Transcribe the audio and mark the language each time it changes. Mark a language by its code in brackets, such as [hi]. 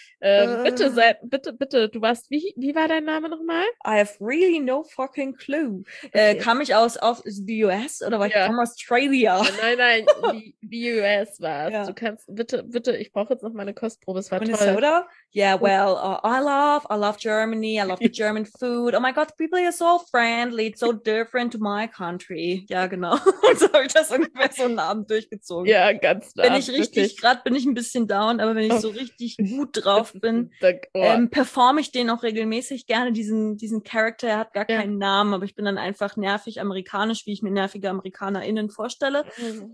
[de] Bitte, du warst, wie war dein Name nochmal? [en] I have really no fucking clue. [de] Okay. Kam ich aus [en] the US [de] oder war ich [en] from Australia? [de] Nein, [en] the US [de] war es. Ja. Du kannst, bitte, ich brauche jetzt noch meine Kostprobe, es war Minnesota? Toll. Minnesota? [en] Yeah, well, I love Germany, I love the German food. Oh my God, people are so friendly, it's so different to my country. [de] Ja, genau. Und so habe ich das ungefähr so einen Abend durchgezogen. Ja, ganz nah. Wenn ich richtig, gerade bin ich ein bisschen down, aber wenn ich so richtig gut drauf bin, performe ich den auch regelmäßig gerne, diesen Charakter. Er hat gar keinen Namen, aber ich bin dann einfach nervig amerikanisch, wie ich mir nervige AmerikanerInnen vorstelle. Mhm.